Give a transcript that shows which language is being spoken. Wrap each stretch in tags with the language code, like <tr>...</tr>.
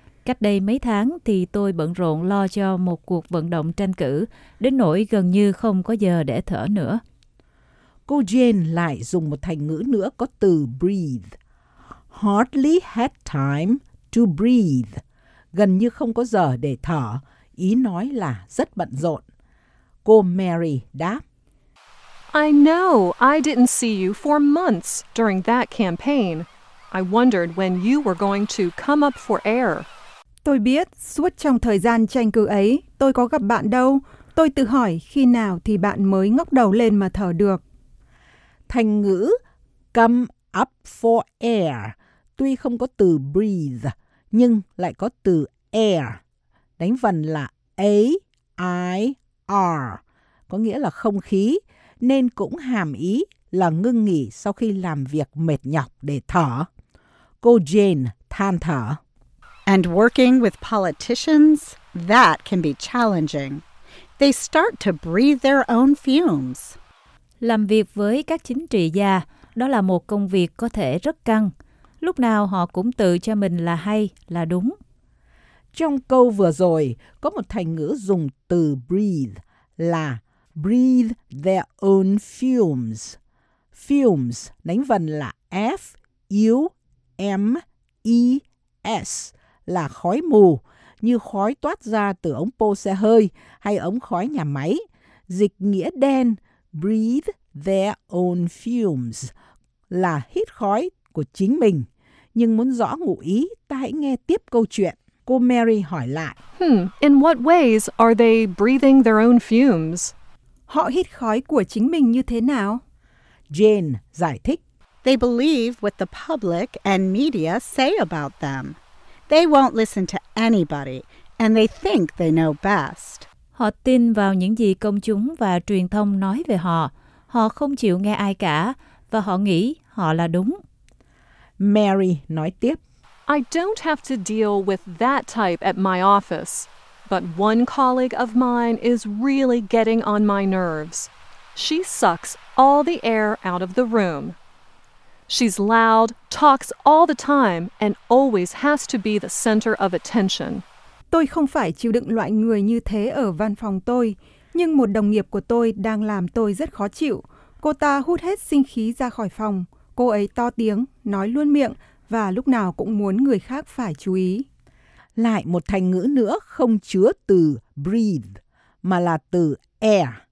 <vi>Cách đây mấy tháng thì tôi bận rộn lo cho một cuộc vận động tranh cử, đến nỗi gần như không có giờ để thở nữa. Cô Jane lại dùng một thành ngữ nữa có từ breathe.</vi> <en>Hardly had time to breathe.</en> <vi>Gần như không có giờ để thở, ý nói là rất bận rộn. Cô Mary đáp.</vi> <en>I know I didn't see you for months during that campaign. I wondered when you were going to come up for air.</en> <vi>Tôi biết, suốt trong thời gian tranh cử ấy, tôi có gặp bạn đâu. Tôi tự hỏi khi nào thì bạn mới ngóc đầu lên mà thở được. Thành ngữ come up for air tuy không có từ breathe, nhưng lại có từ air. Đánh vần là A-I-R, có nghĩa là không khí, nên cũng hàm ý là ngưng nghỉ sau khi làm việc mệt nhọc để thở. Cô Jane than thở.</vi> <en>And working with politicians, that can be challenging. They start to breathe their own fumes.</en> <vi>Làm việc với các chính trị gia, đó là một công việc có thể rất căng. Lúc nào họ cũng tự cho mình là hay, là đúng. Trong câu vừa rồi, có một thành ngữ dùng từ breathe là breathe their own fumes. Fumes, đánh vần là F-U-M-E-S. Là khói mù, như khói toát ra từ ống pô xe hơi hay ống khói nhà máy. Dịch nghĩa đen, breathe their own fumes, là hít khói của chính mình. Nhưng muốn rõ ngụ ý, ta hãy nghe tiếp câu chuyện. Cô Mary hỏi lại.</vi> <en>In what ways are they breathing their own fumes?</en> <vi>Họ hít khói của chính mình như thế nào? Jane giải thích.</vi> <en>They believe what the public and media say about them. They won't listen to anybody, and they think they know best.</en> <vi>Họ tin vào những gì công chúng và truyền thông nói về họ. Họ không chịu nghe ai cả, và họ nghĩ họ là đúng. Mary nói tiếp.</vi> <en>I don't have to deal with that type at my office, but one colleague of mine is really getting on my nerves. She sucks all the air out of the room. She's loud, talks all the time, and always has to be the center of attention.</en> <vi>Tôi không phải chịu đựng loại người như thế ở văn phòng tôi. nhưng một đồng nghiệp của tôi đang làm tôi rất khó chịu. Cô ta hút hết sinh khí ra khỏi phòng. Cô ấy to tiếng, nói luôn miệng và lúc nào cũng muốn người khác phải chú ý. Lại một thành ngữ nữa không chứa từ breathe mà là từ air.</vi>